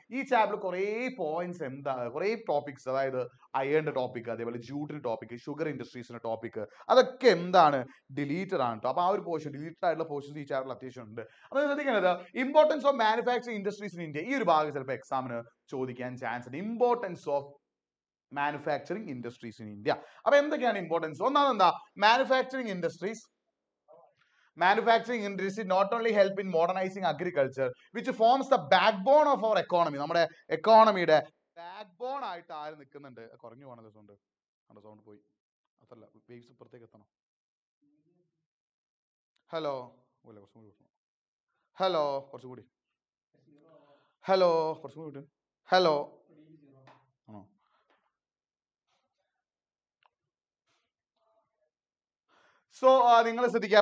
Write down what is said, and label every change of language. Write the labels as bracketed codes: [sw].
[ml] ഈ ചാപ്റ്റർ കുറേ പോയിന്റ്സ് എന്താ, കുറേ ടോപ്പിക്സ്, അതായത് അയേണ്ട ടോപ്പിക്, അതേപോലെ ജൂട്ടിന് ടോപ്പിക്, ഷുഗർ ഇൻഡസ്ട്രീസിന് ടോപ്പിക്, അതൊക്കെ എന്താണ്, ഡിലീറ്റഡ് ആണ് കേട്ടോ. അപ്പൊ ആ ഒരു പോർഷൻ ഡിലീറ്റഡ് ആയിട്ടുള്ള പോർഷൻസ് ഈ ചാപ്റ്ററിൽ അത്യാവശ്യം ഉണ്ട്. അപ്പൊ ശ്രദ്ധിക്കുന്നത് [en] importance of manufacturing industries in India, [ml] ഈ ഒരു ഭാഗം ചിലപ്പോൾ എക്സാമിന് ചോദിക്കാൻ ചാൻസ് ഉണ്ട്. [en] Importance of manufacturing industries in India. [ml] അപ്പൊ എന്തൊക്കെയാണ് ഇമ്പോർട്ടൻസ്? ഒന്നാമത് എന്താ, manufacturing industries, [en] manufacturing industry not only help in modernizing agriculture which forms the backbone of our economy, [ml] നമ്മുടെ എക്കോണമിയുടെ ബാക്ക്ബോൺ ആയിട്ട് ആര് നിൽക്കുന്നുണ്ട്? കുറഞ്ഞു പോണത് സൗണ്ട്, നമ്മുടെ സൗണ്ട് പോയി, അതല്ല വേവ്സ് ഇപ്പുറത്തേക്ക് എത്തണം. ഹലോ, ഇല്ല കുറച്ചും കൂടി കിട്ടണം. ഹലോ കുറച്ചും കൂടി, ഹലോ കുറച്ചും കൂടി കിട്ടും. ഹലോ ആണോ, സോ നിങ്ങൾ ശ്രദ്ധിക്കുക.